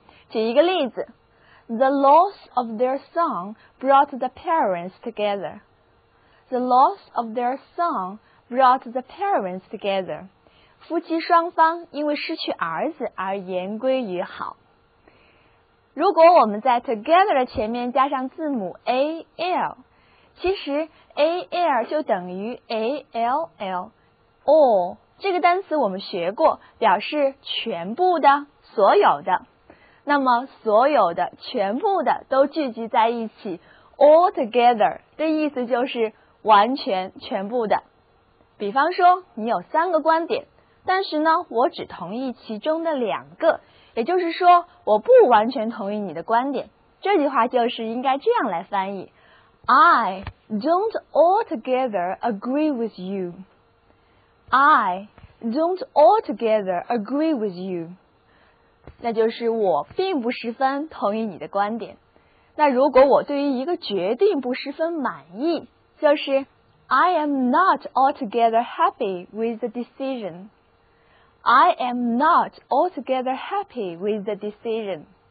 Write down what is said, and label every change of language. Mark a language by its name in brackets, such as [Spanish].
[Chinese] 举一个例子， [English] The loss of their son brought the parents together. The loss of their son brought the parents together. [Chinese] 夫妻双方因为失去儿子而言归于好。如果我们在 together 的前面加上字母 al， 其实 al 就等于 all， all 这个单词我们学过，表示全部的、所有的。那么所有的、全部的都聚集在一起， all together 的意思就是完全、全部的。比方说你有三个观点，但是呢我只同意其中的两个，也就是说我不完全同意你的观点，这句话就是应该这样来翻译， [English] I don't altogether agree with you. I don't altogether agree with you. [Chinese] 那就是我并不十分同意你的观点。那如果我对于一个决定不十分满意，就是 [English] I am not altogether happy with the decision. I am not altogether happy with the decision.